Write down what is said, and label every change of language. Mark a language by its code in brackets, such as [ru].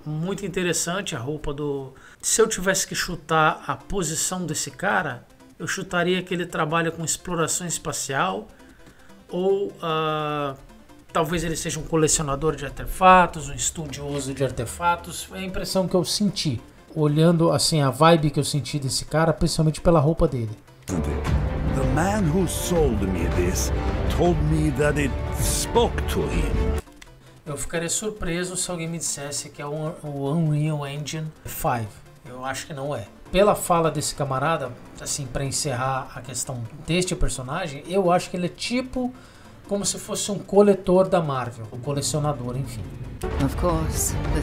[pt] Muito interessante a roupa do... Se eu tivesse que chutar a posição desse cara, eu chutaria que ele trabalha com exploração espacial ou... Talvez ele seja um colecionador de artefatos, um estudioso de artefatos. Foi a impressão que eu senti, olhando assim a vibe que eu senti desse cara, principalmente pela roupa dele. [en] The man who sold me this told me that it spoke to him. [pt] Eu ficaria surpreso se alguém me dissesse que é o Unreal Engine 5. Eu acho que não é. Pela fala desse camarada, assim, para encerrar a questão deste personagem, eu acho que ele é tipo... como se fosse um coletor da Marvel, um colecionador, enfim. [en] Of course.